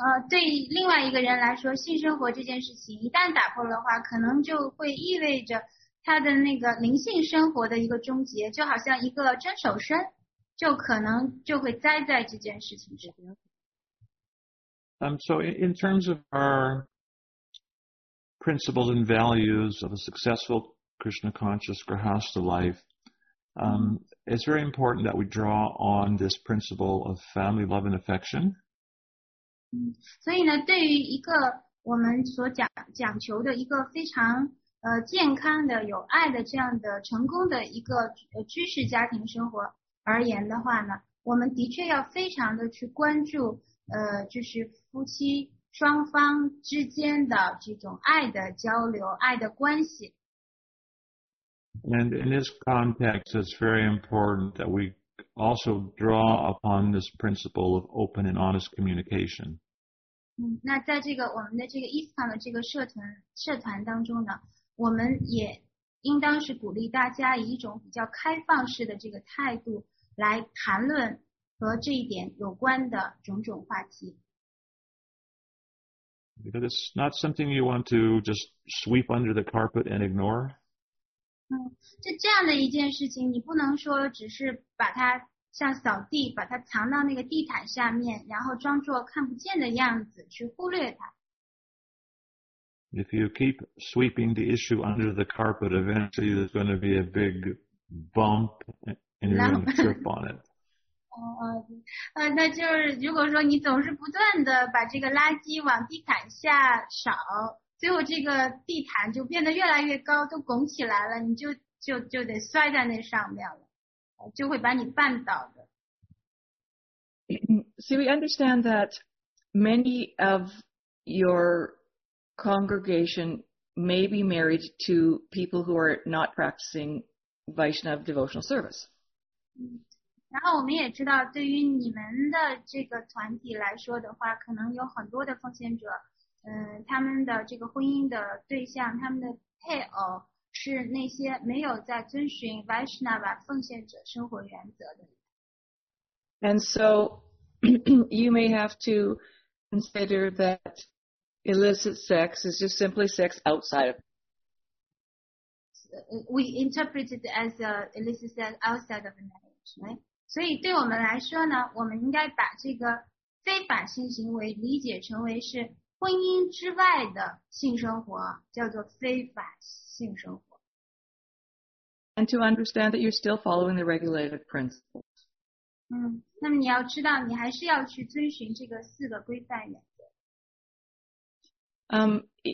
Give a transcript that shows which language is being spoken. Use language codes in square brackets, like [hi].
[zh] 对另外一个人来说，性生活这件事情一旦打破的话，可能就会意味着他的那个灵性生活的一个终结，就好像一个遵守身，就可能就会栽在这件事情之中。 [en] So in terms of our principles and values of a successful Krishna conscious grihastha life, it's very important that we draw on this principle of family love and affection. [zh] 所以呢，对于一个我们所讲求的一个非常健康的有爱的这样的成功的一个居士家庭生活而言的话呢，我们的确要非常的去关注就是夫妻双方之间的这种爱的交流，爱的关系。 [en] And in this context, it's very important that we also draw upon this principle of open and honest communication. [zh] 那在这个我们的这个 ISKCON 的这个社团当中呢，我们也应当是鼓励大家以一种比较开放式的这个态度来谈论和这一点有关的种种话题。 [en] Because it's not something you want to just sweep under the carpet and ignore. [zh] 就这样的一件事情，你不能说只是把它像扫地，把它藏到那个地毯下面，然后装作看不见的样子去忽略它。 [en] If you keep sweeping the issue under the carpet, eventually there's going to be a big bump and you're going to trip on it. [zh] 那就是如果说你总是不断的把这个垃圾往地毯下扫，最后这个地毯就变得越来越高，都拱起来了，你就得摔在那上面了。就会把你绊倒的。 [en] See, we understand that many of your congregation may be married to people who are not practicing Vaishnava devotional service. [zh] 然后我们也知道，对于你们的这个团体来说的话，可能有很多的奉献者，他们的这个婚姻的对象，他们的配偶是那些没有在遵循 Vaishnava 奉献者生活原则的。 [en] And so you may have to consider that illicit sex is just simply sex outside of. We interpret it as illicit sex outside of marriage, right? [zh] 所以对我们来说呢，我们应该把这个非法性行为理解成为是婚姻之外的性生活，叫做非法性生活。 [en] And to understand that you're still following the regulated principles. [zh] 那么你要知道，你还是要去遵循这个四个规范原则。